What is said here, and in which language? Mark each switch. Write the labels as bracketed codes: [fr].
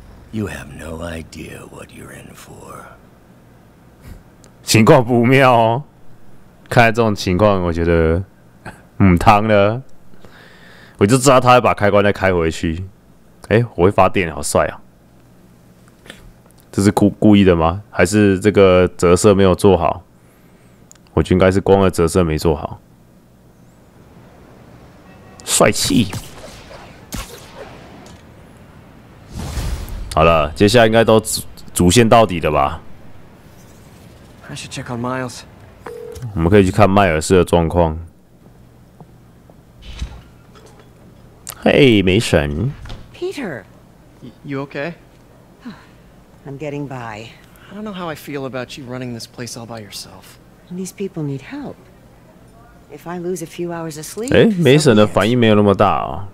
[en] You have no idea what you're in for. [zh] 情况不妙哦。看这种情况，我觉得唔汤了。我就知道他会把开关再开回去。哎，我会发电，好帅啊！这是故意的吗？还是这个折射没有做好？我觉得应该是光的折射没做好。帅气！好了，接下来应该都主线到底了吧？ [en] I should check on Miles. [zh] 我们可以去看迈尔斯的状况。嘿，梅神。 [en] Peter, you okay? I'm getting by. I don't know how I feel about you running this place all by yourself. These people need help. If I lose a few hours of sleep, [zh] 哎，梅森的反应没有那么大哦。